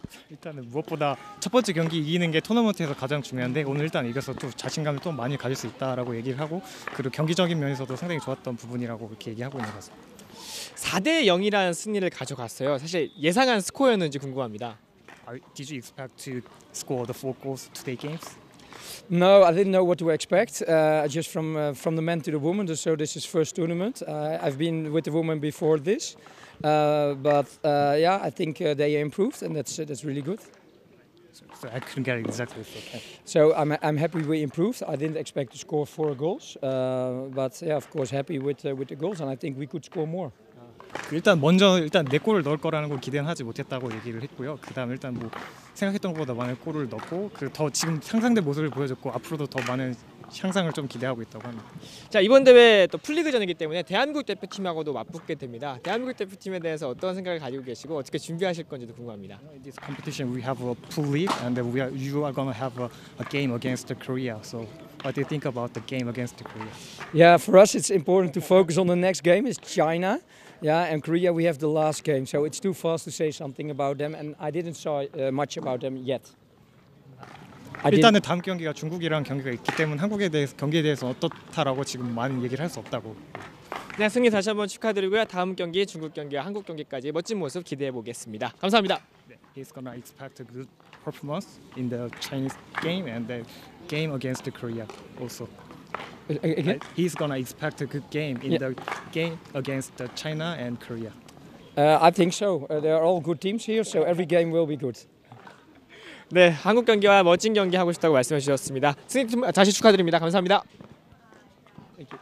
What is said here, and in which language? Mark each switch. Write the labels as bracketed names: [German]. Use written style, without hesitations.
[Korean] 일단은 무엇보다 첫 번째 경기 이기는 게 토너먼트에서 가장 중요한데 오늘 일단 이겨서 또 자신감을 또 많이 가질 수 있다라고 얘기를 하고 그리고 경기적인 면에서도 상당히 좋았던 부분이라고 이렇게 얘기하고 있는 것 같습니다. 4-0이라는 승리를 가져갔어요. 사실 예상한 스코어였는지 궁금합니다. [English] Did you expect to score the four goals today games? No, I didn't know what to expect. Just from the man to the woman. So this is first tournament. I've been with the woman before this, but yeah, I think they improved and that's really good. So I couldn't get it exactly. So, okay. So I'm happy we improved. I didn't expect to score four goals, but yeah, of course happy with the goals and I think we could score more. [Korean] 일단 네 골을 넣을 거라는 걸 기대는 하지 못했다고 얘기를 했고요. 그다음 일단 뭐 생각했던 것보다 많은 골을 넣고 그 더 지금 향상된 모습을 보여줬고 앞으로도 더 많은 향상을 좀 기대하고 있다고 합니다. 자, 이번 대회 또 풀리그전이기 때문에 대한민국 대표팀하고도 맞붙게 됩니다. 대한민국 대표팀에 대해서 어떤 생각을 가지고 계시고 어떻게 준비하실 건지도 궁금합니다. [English] In this competition, we have a pool league and then you are going to have a game against the Korea. So what do you think about the game against the Korea? Yeah, for us it's important to focus on the next game is China. Yeah, and Korea, we have the last game, so it's too fast to say something about them, and I didn't saw much about them yet. [Korean] 일단은 다음 경기가 중국이랑 경기가 있기 때문에 한국에 대해서 경기에 대해서 어떻다라고 지금 많은 얘기를 할 수 없다고. 네, 승리 다시 한번 축하드리고요. 다음 경기 중국 경기와 한국 경기까지 멋진 모습 기대해 보겠습니다. 감사합니다. [English] He's gonna expect a good performance in the Chinese game and the game against Korea also. He's gonna expect a good game in the game against China and Korea. I think so. They are all good teams here, so every game will be good. [Korean] 네, 한국 경기와 멋진 경기 하고 싶다고 말씀해 주셨습니다. 승리팀 다시 축하드립니다. 감사합니다.